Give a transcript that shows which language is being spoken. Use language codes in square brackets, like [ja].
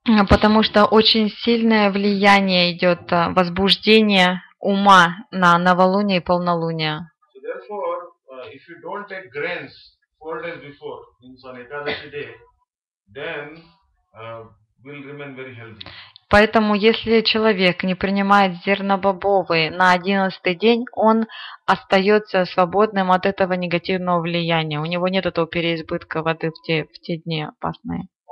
[ru] Потому что очень сильное влияние идет, возбуждение ума на новолуние и полнолуние. [en] So therefore, if you don't take grains 4 days before, means on Ekadashi day, then will remain very healthy. [ru] Поэтому, если человек не принимает зернобобовые на 11-й день, он остается свободным от этого негативного влияния. У него нет этого переизбытка воды в те дни опасные.